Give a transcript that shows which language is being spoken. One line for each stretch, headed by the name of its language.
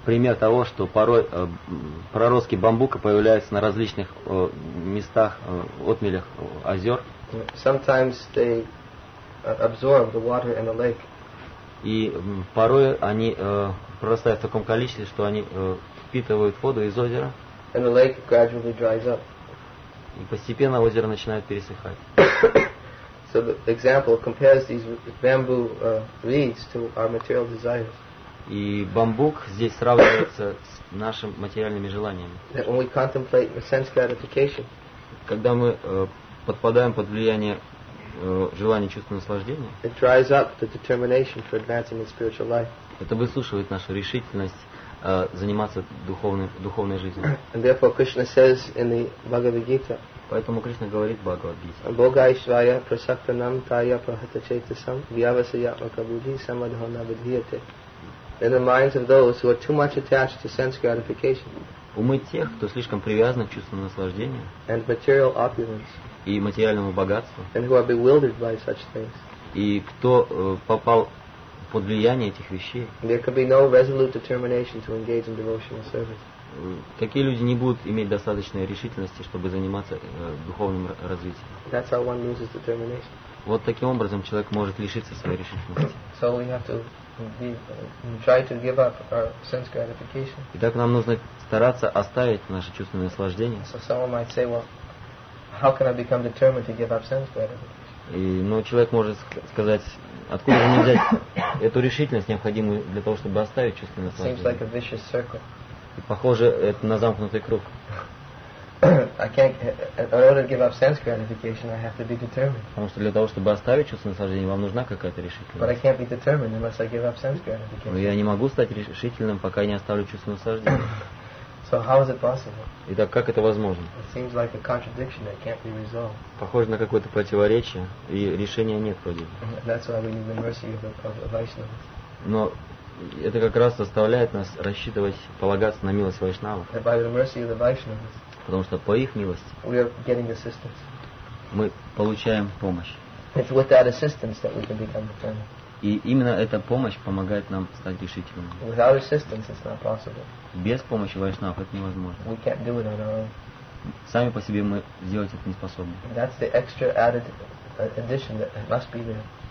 Russian: Пример того, что порой проростки бамбука появляются на различных местах, отмелях озер.
English: Sometimes they absorb the water in the lake.
Russian: И порой они прорастают в таком количестве, что они впитывают воду из озера.
English: And the lake gradually dries up.
Russian: И постепенно озеро начинает пересыхать.
English: So the example compares these bamboo reeds to our material desires.
Russian: И бамбук здесь сравнивается с нашими материальными желаниями.
English: That when we contemplate the sense gratification.
Russian: Когда мы подпадаем под влияние желание чувства наслаждения.
English: It dries up the determination for advancing in spiritual life.
Russian: Это высушивает нашу решительность заниматься духовной жизнью.
English: And therefore Krishna says in the Bhagavad Gita.
Russian: Поэтому Кришна говорит в Бхагавад Гите.
Sanskrit: Богайшвая прасактанам тая прахатачетасам вьявасаятмака будхи самадхана будхиете.
English: In the minds of those who are too much attached to sense gratification.
Russian: Умы тех, кто слишком привязан к чувству наслаждения.
English: And material opulence.
Russian: И материальному богатству.
English: And who are bewildered by such things.
Russian: И кто попал под влияние этих вещей.
English: There could be no resolute determination to engage in devotional service.
Russian: Какие люди не будут иметь достаточной решительности, чтобы заниматься духовным развитием?
English: That's how one loses determination.
Russian: Вот таким образом человек может лишиться своей решительности.
English: So we have to try to give up our sense gratification.
Russian: Итак, нам нужно стараться оставить наше чувственное наслаждение.
English: So someone might say, well, how can I become determined to give up sense gratification?
Russian: Но человек может сказать, откуда мне взять эту решительность, необходимую для того, чтобы оставить чувственное наслаждение?
English: Seems like a vicious circle.
Russian: Похоже, это на замкнутый круг.
English: I can't. In order to give up sense gratification, I have to be determined.
Russian: Потому что для того, чтобы оставить чувственное наслаждение, вам нужна какая-то решительность.
English: But I can't be determined unless I give up sense gratification.
Russian: Я не могу стать решительным, пока не оставлю чувственное наслаждение.
English: So how is it possible?
Russian: Итак, как это возможно?
English: It seems like a contradiction that can't be resolved.
Russian: Похоже на какое-то противоречие, и решения нет вроде.
English: That's why we need the mercy of the Vaishnavas.
Russian: Но это как раз заставляет нас рассчитывать, полагаться на милость Вайшнавов.
English: By the mercy of the Vaishnavas.
Russian: Потому что по их милости.
English: We are getting assistance.
Russian: Мы получаем помощь.
English: It's with that assistance that we can become determined.
Russian: И именно эта помощь помогает нам стать решительными.
English: Without assistance, it's not possible.
Russian: Без помощи вайшнав это невозможно.
English: We can't do it on our own.
Russian: Сами по себе мы сделать это не способны.
English: That's the extra added addition that must be there.